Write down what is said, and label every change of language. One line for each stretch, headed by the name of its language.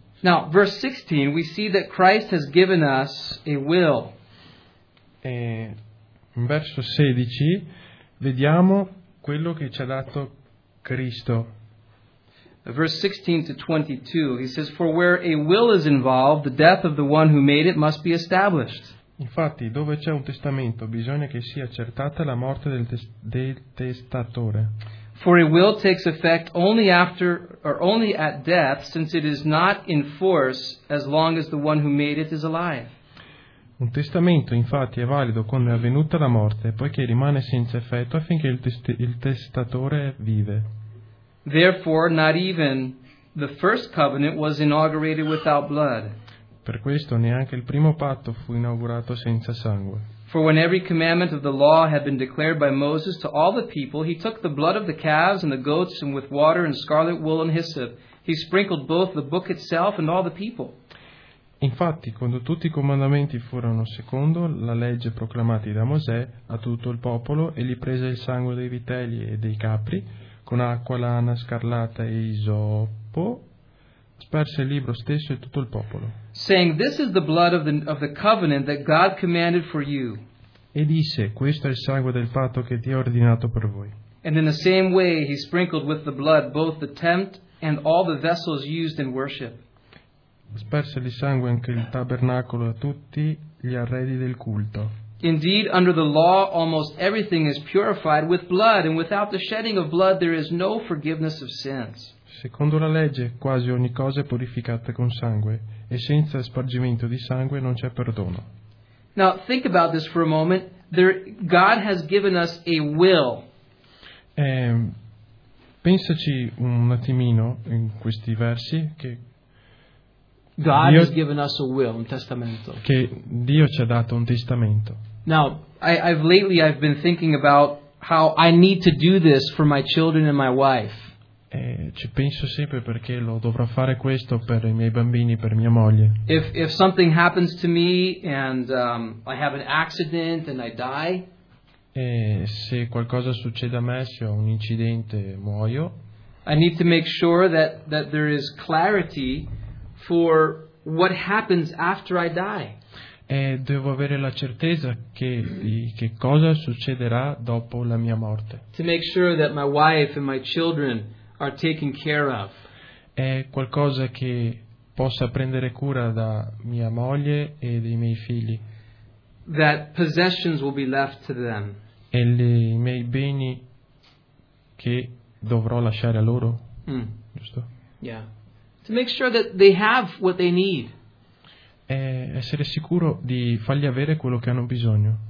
English: Now, verse 16, we see that Christ has given us a will.
Italian: In verso 16 vediamo quello che ci ha dato Cristo.
English: Verse 16 to 22, he says, "For where a will is involved, the death of the one who made it must be established."
Italian: Infatti, dove c'è un testamento, bisogna che sia accertata la morte del testatore.
English: "For a will takes effect only after or only at death, since it is not in force as long as the one who made it is alive."
Italian: Un testamento, infatti, è valido quando è avvenuta la morte, poiché rimane senza effetto affinché il testatore vive.
English: Therefore, not even the first covenant was inaugurated without blood.
Italian: Per questo, neanche il primo patto fu inaugurato senza sangue.
English: For when every commandment of the law had been declared by Moses to all the people, he took the blood of the calves and the goats, and with water and scarlet wool and hyssop, he sprinkled both the book itself and all the people.
Italian: Infatti, quando tutti i comandamenti furono secondo la legge proclamati da Mosè a tutto il popolo, egli prese il sangue dei vitelli e dei capri, con acqua, lana, scarlata e isopo, sperse il libro stesso e tutto il popolo.
English: Saying, "This is the blood of the covenant that God commanded for you."
Italian: E disse, "Questo è il sangue del patto che Dio ha ordinato per voi."
English: And in the same way, he sprinkled with the blood both the tent and all the vessels used in worship.
Italian: Sperse di sangue anche il tabernacolo e tutti gli arredi del culto.
English: Indeed, under the law, almost everything is purified with blood, and without the shedding of blood, there is no forgiveness of sins.
Italian: Secondo la legge, quasi ogni cosa è purificata con sangue, e senza spargimento di sangue non c'è perdono.
English: Now, think about this for a moment. There, God has given us a will.
Italian: Pensaci un attimino in questi versi che
English: God Dio, has given us a will,
Italian: un testamento. Che Dio ci ha dato un testamento.
English: Now, I've been thinking about how I need to do this for my children and my wife.
Italian: Ci penso sempre perché lo dovrò fare questo per i miei bambini, per mia moglie.
English: If something happens to me and I have an accident and I die.
Italian: Se qualcosa succede a me, se ho un incidente, muoio.
English: I need to make sure that there is clarity for what happens after I die.
Italian: Devo avere la certezza che cosa succederà dopo la mia morte.
English: To make sure that my wife and my children are taken care of.
Italian: È qualcosa che possa prendere cura da mia moglie e dei miei figli.
English: That possessions will be left to them.
Italian: E i miei beni che dovrò lasciare a loro. Mm. Giusto?
English: Yeah. To make sure that they have what they need.
Italian: Essere sicuro di fargli avere quello che hanno bisogno.